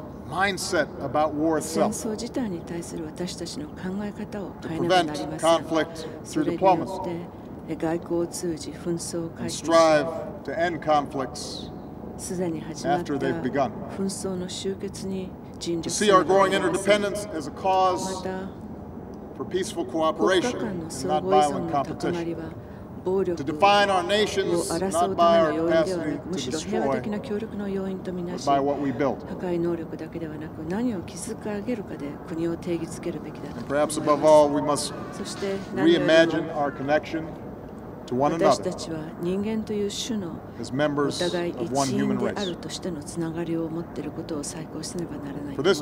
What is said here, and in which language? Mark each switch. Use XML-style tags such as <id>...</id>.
<en>mindset about war itself.</en> <ja>戦争自体に対する私たちの考え方を変えなくなりません。それによって外交を通じ紛争を解決し、すでに始まった紛争の終結に尽力する。</ja> <en>See our growing interdependence as a cause for peaceful cooperation, not violent competition. To define our nations not by our capacity to destroy, but by what we built.</en> <ja>破壊能力だけではなく何を築き上げるかで国を定義づけるべきだと思います。</ja> <en>Perhaps above all, we must reimagine our connection to one another.</en> <ja>私たちは人間という種のお互い一員であるとしてのつながりを持っていることを再考しなければならないと思います。</ja>